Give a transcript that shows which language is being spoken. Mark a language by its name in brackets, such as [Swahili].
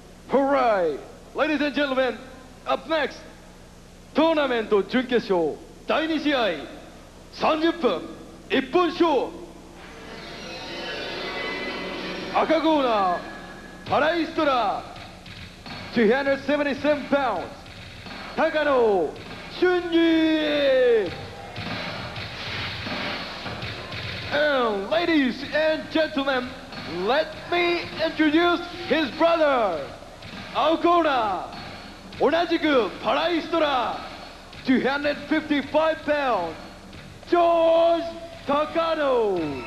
[Japanese] Alright, ladies and gentlemen, up next トーナメント準決勝第2試合、30分一本勝、赤コーナーパライストラ277 pounds、 高野俊二。 [English] Ladies and gentlemen, let me introduce his brother. [Japanese] 青コーナー、同じくパライストラ、255 pounds、 ジョージ・タカノ。